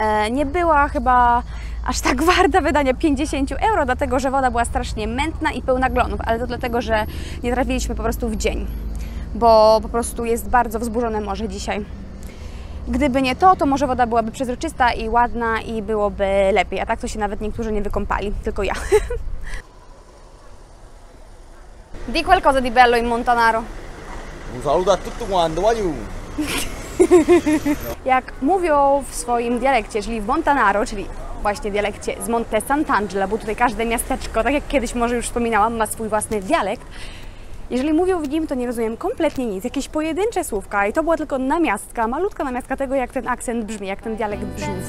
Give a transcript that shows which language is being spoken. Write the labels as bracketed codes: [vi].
[pl] Nie była chyba aż tak warta wydania 50 euro, dlatego że woda była strasznie mętna i pełna glonów, ale to dlatego, że nie trafiliśmy po prostu w dzień, bo po prostu jest bardzo wzburzone morze dzisiaj. Gdyby nie to, to może woda byłaby przezroczysta i ładna i byłoby lepiej. A tak to się nawet niektórzy nie wykąpali, tylko ja. [it] Di qualcosa di bello in Montanaro. Un saluto a tutti quanti. [pl] Jak mówią w swoim dialekcie, czyli w Montanaro, czyli właśnie dialekcie z Monte Sant'Angelo, bo tutaj każde miasteczko, tak jak kiedyś może już wspominałam, ma swój własny dialekt. Jeżeli mówią w nim, to nie rozumiem kompletnie nic, jakieś pojedyncze słówka i to była tylko namiastka, malutka namiastka tego, jak ten akcent brzmi, jak ten dialekt brzmi.